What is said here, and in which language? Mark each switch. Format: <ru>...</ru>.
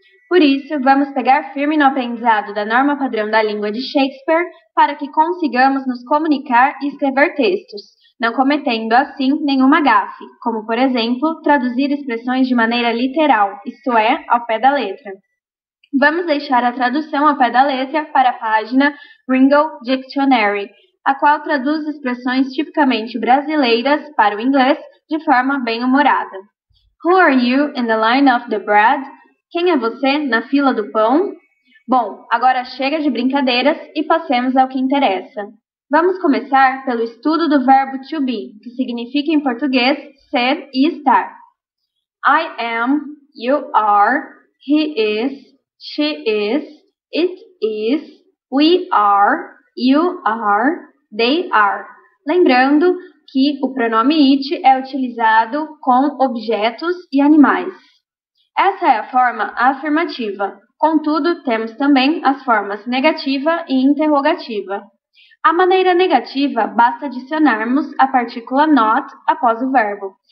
<pt>Por isso, vamos pegar firme no aprendizado da norma padrão da língua de Shakespeare para que consigamos nos comunicar e escrever textos, não cometendo, assim, nenhuma gafe, como, por exemplo, traduzir expressões de maneira literal, isto é, ao pé da letra. Vamos deixar a tradução ao pé da letra para a página Gringo Dictionary, a qual traduz expressões tipicamente brasileiras para o inglês de forma bem-humorada.</pt> <en>Who are you in the line of the bread?</en> <pt>Quem é você na fila do pão? Bom, agora chega de brincadeiras e passemos ao que interessa. Vamos começar pelo estudo do verbo to be, que significa em português ser e estar.</pt> <en>I am, you are, he is, she is, it is, we are, you are, they are.</en> <pt>Lembrando que o pronome it é utilizado com objetos e animais. Essa é a forma afirmativa. Contudo, temos também as formas negativa e interrogativa. A maneira negativa, basta adicionarmos a partícula not após o verbo.</pt>